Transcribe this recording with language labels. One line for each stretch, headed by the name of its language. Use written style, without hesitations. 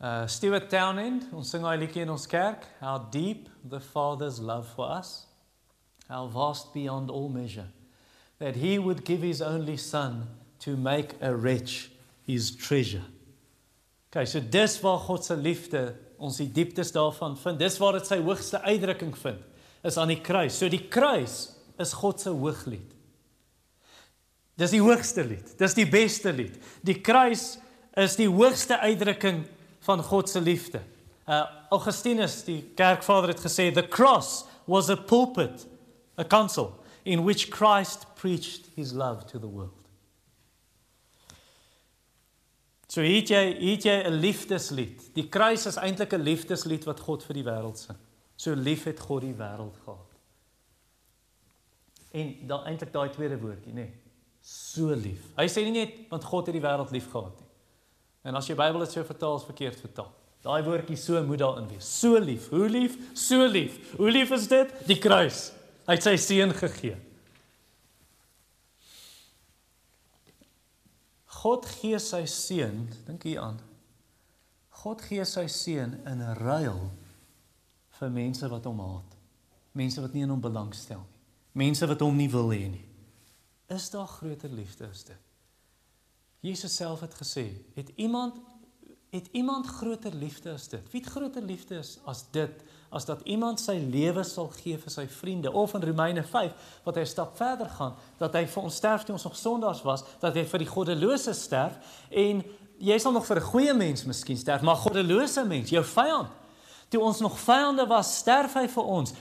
English: Stuart Townend,
Afrikaans: ons sing hy liedjie in ons kerk,
English: how deep the Father's love for us, how vast beyond all measure, that he would give his only son to make a wretch his treasure.
Afrikaans: Okay, so dis waar God se liefde ons die dieptes daarvan vind. Dis waar het sy hoogste uitdrukking vind, is aan die kruis. So die kruis is God se hooglied. Dis die hoogste lied, dis die beste lied. Die kruis is die hoogste uitdrukking van God se liefde.
English: Augustinus,
Afrikaans: die kerkvader, het gesê,
English: the cross was a pulpit, a council, in which Christ preached his love to the world.
Afrikaans: So hier het jy een liefdeslied. Die kruis is eintlik een liefdeslied wat God vir die wêreld sing. So lief het God die wêreld gehad. En dan eintlik daai tweede woordjie, nee. so lief. Hy sê nie net, want God het die wêreld lief gehad nie. En as jy Bybel het so vertaal, is verkeerd vertaal. Daai woordjie so moet daarin wees. So lief, hoe lief, so lief. Hoe lief is dit? Die kruis. Hy het sy seun gegee. God gee sy seun, dink hier aan, God gee sy seun in ruil vir mense wat hom haat. Mense wat nie in hom belangstel nie. Mense wat hom nie wil hê nie. Is daar groter liefde as dit? Jesus self het gesê, het iemand groter liefde as dit? Wie het groter liefde as dit? As dat iemand sy lewe sal gee vir sy vriende, of in Romeine 5, wat hy stap verder gaan, dat hy vir ons sterf toe ons nog sondaars was, dat hy vir die goddelose sterf, en jy sal nog vir 'n goeie mens miskien sterf, maar goddelose mens, jou vyand, toe ons nog vyande was, sterf hy vir ons.